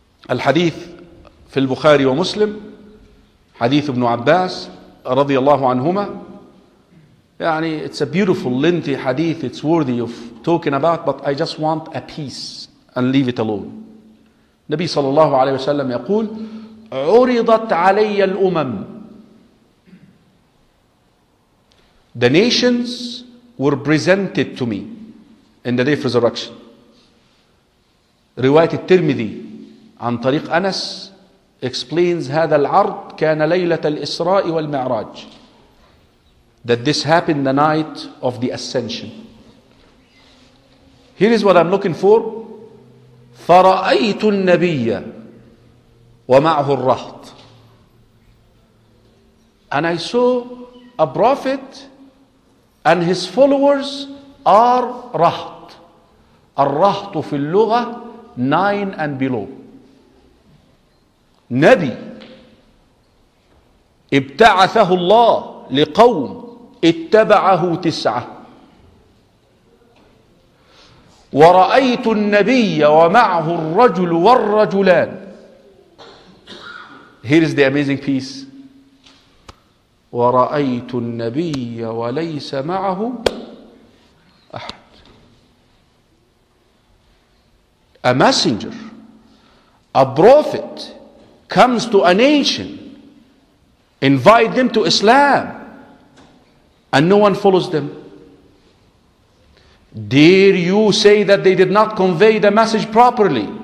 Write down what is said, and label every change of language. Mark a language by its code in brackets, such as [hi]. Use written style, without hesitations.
[ar] الحديث في البخاري ومسلم, حديث ابن عباس رضي الله عنهما. [en] يعني it's a beautiful lengthy hadith, it's worthy of talking about, but I just want a piece and leave it alone. [ar] نبي صلى الله عليه وسلم يقول عُرِضَتْ عَلَيَّ الْأُمَمْ. [en] The nations were presented to me in the day of resurrection. [ar] رواية الترمذي عن طريق أنس [en] explains [ar] هذا العرض كان ليلة الإسراء والمعراج. [en] That this happened the night of the ascension. Here is what I'm looking for. [ar] فرأيت النبي ومعه الرهط. [en] And I saw a prophet and his followers are رهط. [ar] الرهط في اللغة 9 and below. نبي ابتعثه الله لقوم اتبعه 9. ورأيت النبي ومعه الرجل والرجلان. [en] Here is the amazing piece. [ar] ورأيت النبي وليس معه أحد. [en] A messenger, a prophet comes to a nation, invite them to Islam, and no one follows them. Dare you say that they did not convey the message properly?